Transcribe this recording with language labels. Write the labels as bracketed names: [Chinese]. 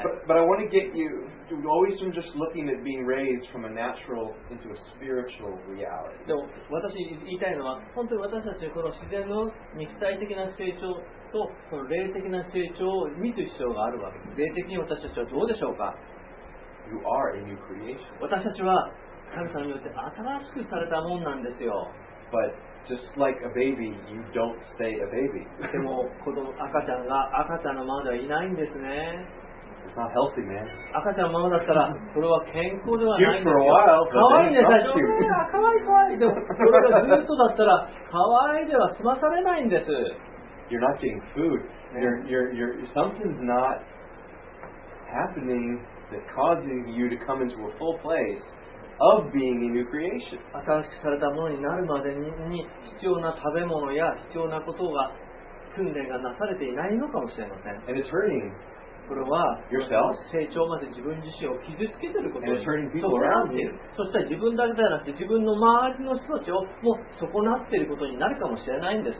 [English] But I want to get you always from just looking at being raised from a natural into a spiritual reality. [Japanese] でも私言いたいのは、本当に私たちこの自然の肉体的な成長とその霊的な成長を見る必要があるわけです。霊的に私たちはどうでしょうか。 [English] You are a new creation. [Japanese] 私たちは神様によって新しくされたものなんですよ。 [English] But just like a baby, you don't stay a baby. [Japanese] でも子供赤ちゃんが赤ちゃんのままではいないんですね。 [English] It's not healthy, man. [Japanese] 赤ちゃんのままだったらそれは健康ではないんですよ。かわいいね、最初かわいいかわいい。でもそれがずっとだったらかわいいでは済まされないんです。 [English] You're not getting food. You're something's not happening that's causing you to come into a full place of being a new creation. [Japanese] 新しくされたものになるまでに必要な食べ物や必要なことが訓練がなされていないのかもしれません。 [English] And it's hurting. [Japanese] これは成長まで自分自身を傷つけていることに損なっている。そしたら自分だけではなくて自分の周りの人たちをもう損なっていることになるかもしれないんです。